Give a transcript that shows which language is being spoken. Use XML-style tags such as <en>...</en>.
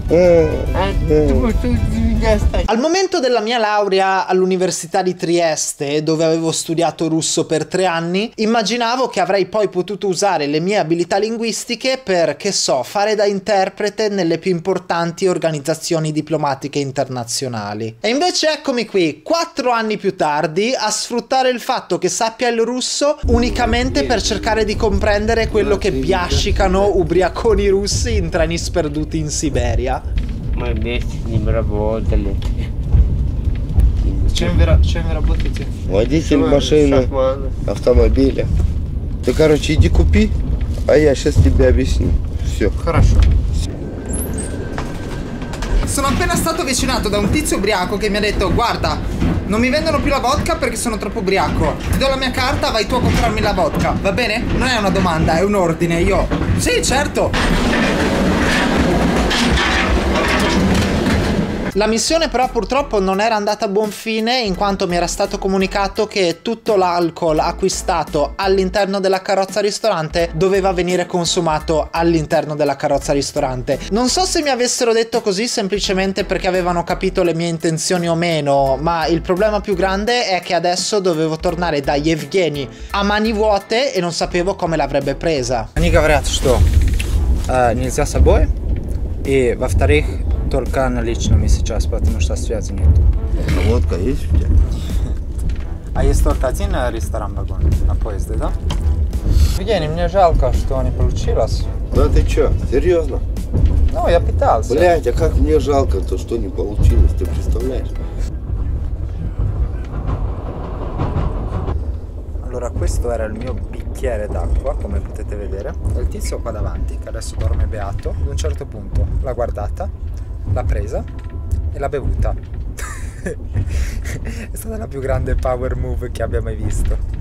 <it>Al momento della mia laurea all'Università di Trieste, dove avevo studiato russo per 3 anni, immaginavo che avrei poi potuto usare le mie abilità linguistiche per, che so, fare da interprete nelle più importanti organizzazioni diplomatiche internazionali. E invece eccomi qui, 4 anni più tardi, a sfruttare il fatto che sappia il russo unicamente per cercare di comprendere quello che biascicano ubriaconi russi in treni sperduti in Siberia.</it> <ru>Мы вместе с ним работали. Чем вы работаете? Водитель машины, автомобиля. Ты, короче, иди купи, а я сейчас тебе объясню. Все. Хорошо.</ru> <it>Sono appena stato avvicinato da un tizio ubriaco che mi ha detto: guarda, non mi vendono più la vodka perché sono troppo ubriaco. Ti do la mia carta, vai tu a comprarmi la vodka. Va bene? Non è una domanda, è un ordine. Io. Sì, certo. La missione però purtroppo non era andata a buon fine, in quanto mi era stato comunicato che tutto l'alcol acquistato all'interno della carrozza ristorante doveva venire consumato all'interno della carrozza ristorante. Non so se mi avessero detto così semplicemente perché avevano capito le mie intenzioni o meno, ma il problema più grande è che adesso dovevo tornare da Yevgeny a mani vuote e non sapevo come l'avrebbe presa.</it> <ru>Они говорят, что нельзя с собой, и во-вторых, только наличными сейчас, потому что связи нет. А водка есть у тебя? А есть только один ресторан вагон на поезде, да? Евгений, мне жалко, что не получилось. Да ты чё, серьезно? Ну, я пытался. Блядь, а как мне жалко то, что не получилось, ты представляешь?</ru> <it>Allora, questo era il mio bicchiere d'acqua, come potete vedere. Il tizio qua davanti, che adesso dorme beato, ad un certo punto l'ha guardata, l'ha presa e l'ha bevuta. È stata la più grande power move che abbia mai visto.</it>